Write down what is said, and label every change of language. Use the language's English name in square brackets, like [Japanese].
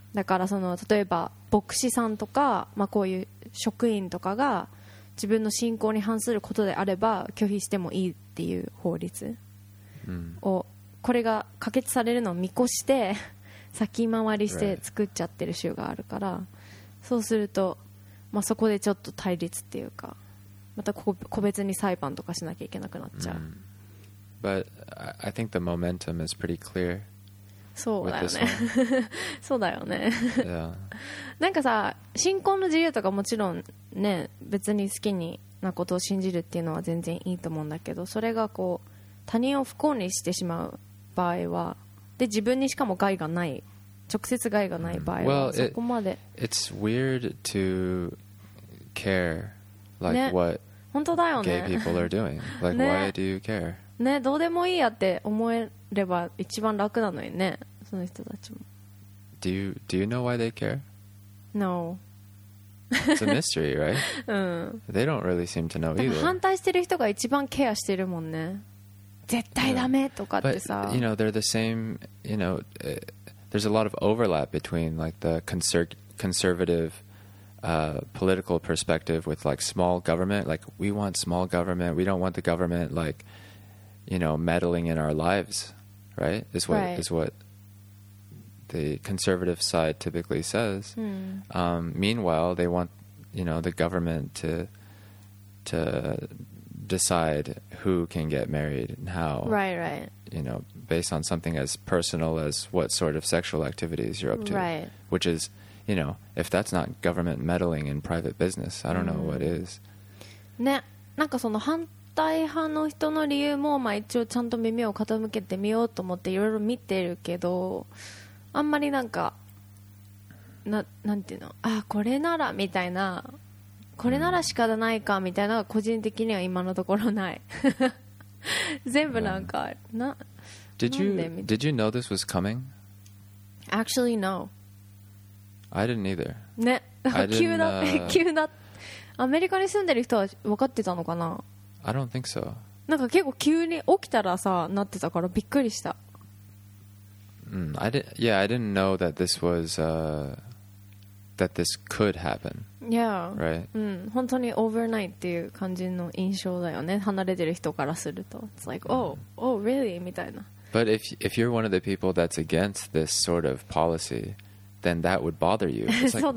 [Japanese] だからその例えば牧師さんとか、まあ、こういう職員とかが自分の信仰に反することであれば拒否してもいいっていう法律を、うん、これが可決されるのを見越して先回りして作っちゃってる州があるから、そうすると、まあ、そこでちょっと対立っていうか、また個別に裁判とかしなきゃいけなくなっちゃう。 Mm. [English] But I think the momentum is pretty clear. [Japanese] そうだよね。そうだよね。 [English] Yeah. [Japanese] なんかさ、信仰の自由とかもちろんね、別に好きになことを信じるっていうのは全然いいと思うんだけど、それがこう他人を不幸にしてしまう場合は、で自分にしかも害がない、直接害がない場合は、 mm. そこまで。 [English] Well, it's weird to care. Like、 [Japanese] ね、 [English] what [Japanese] 本当だよね。 [English] gay people are doing. Like、 [Japanese] ね、 [English] why do you care? [Japanese] ね、どうでもいいやって思えれば一番楽なのにね、その人たちも。 [English] Do you know why they care? No. It's a mystery, right? They don't really seem to know either. [Japanese] でも反対してる人が一番ケアしてるもんね。絶対ダメとかってさ。 [English] But, you know, they're the same, you know, there's a lot of overlap between like the conservative political perspective with like small government. Like, we want small government. We don't want the government like, you know, meddling in our lives, right? Is what the conservative side typically says. Meanwhile, they want, you know, the government to decide who can get married and how. Right. You know, based on something as personal as what sort of sexual activities you're up to. Right. Which is, you know, if that's not government meddling in private business, I don't know what is. [Japanese] ね、なんかその反対派の人の理由も、まあ一応ちゃんと耳を傾けてみようと思っていろいろ見てるけど、あんまりなんか、なんていうの、あ、これならみたいな、これなら仕方ないかみたいな、個人的には今のところない。全部なんか、な、 [English] Did you know this was coming? Actually, no. I didn't either. [Japanese] ね、急な、急な、アメリカに住んでる人は分かってたのかな? [English] I don't think so. [Japanese] なんか結構急に起きたらさ、なってたからびっくりした。 [English] I didn't know that this was, that this could happen. Yeah. Right? [Japanese] うん、本当に overnight っていう感じの印象だよね、離れてる人からすると。 [English] It's like, oh, really? [Japanese] みたいな。 [English] But if you're one of the people that's against this sort of policy,then that would bother you. It's like, what?